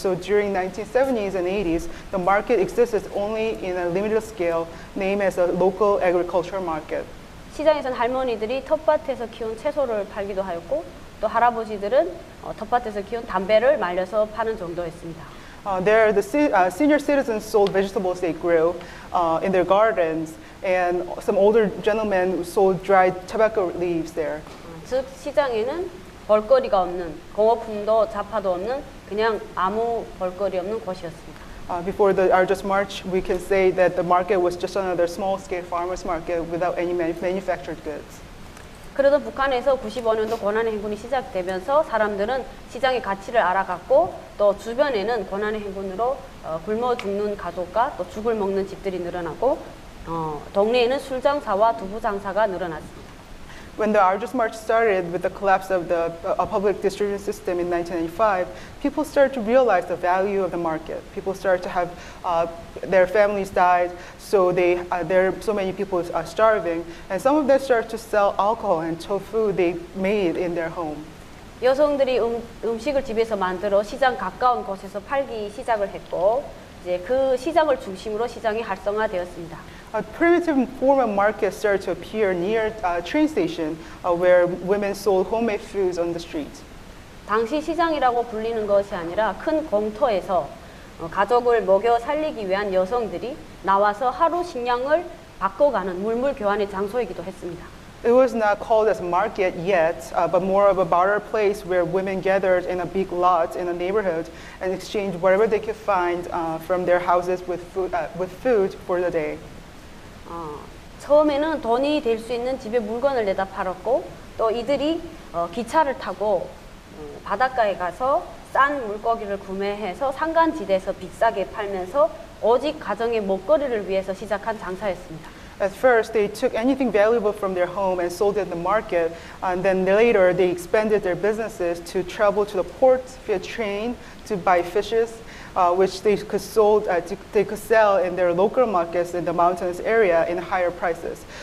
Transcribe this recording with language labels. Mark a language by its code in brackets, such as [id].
[en] So during 1970s and 80s, the market existed only in a limited scale, named as a local agricultural market. [ko] 시장에선 할머니들이 텃밭에서 키운 채소를 팔기도 하였고, 또 할아버지들은 텃밭에서 키운 담배를 말려서 파는 정도였습니다. [en] There, the senior citizens sold vegetables they grew in their gardens, and some older gentlemen sold dried tobacco leaves there. [ko] 즉 시장에는 볼거리가 없는 공업품도 잡화도 없는 그냥 아무 볼거리 없는 곳이었습니다. [en] Before the Arjus March, we can say that the market was just another small-scale farmers market without any manufactured goods. [ko] 그러던 북한에서 95년도 고난의 행군이 시작되면서 사람들은 시장의 가치를 알아갔고 또 주변에는 고난의 행군으로 굶어 죽는 가족과 또 죽을 먹는 집들이 늘어나고 동네에는 술장사와 두부장사가 늘어났습니다. [en] When the Artists March started with the collapse of the public distribution system in 1995, people started to realize the value of the market. People started to have their families died, so there are so many people starving, and some of them started to sell alcohol and tofu they made in their home. [ko] 여성들이 음식을 집에서 만들어 시장 가까운 곳에서 팔기 시작을 했고 이제 그 시장을 중심으로 시장이 활성화되었습니다. [en] A primitive form of market started to appear near train station where women sold homemade foods on the street. [ko] 당시 시장이라고 불리는 것이 아니라 큰 공터에서 가족을 먹여 살리기 위한 여성들이 나와서 하루 식량을 바꿔가는 물물 교환의 장소이기도 했습니다. [en] It was not called as a market yet, but more of a barter place where women gathered in a big lot in a neighborhood and exchanged whatever they could find from their houses with food for the day. [ko] 처음에는 돈이 될 수 있는 집에 물건을 내다 팔았고 또 이들이 기차를 타고 바닷가에 가서 싼 물고기를 구매해서 산간지대에서 비싸게 팔면서 오직 가정의 먹거리를 위해서 시작한 장사였습니다. [en] At first, they took anything valuable from their home and sold it in the market, and then later, they expanded their businesses to travel to the port via train to buy fishes, which they could sell in their local markets in the mountainous area in higher prices.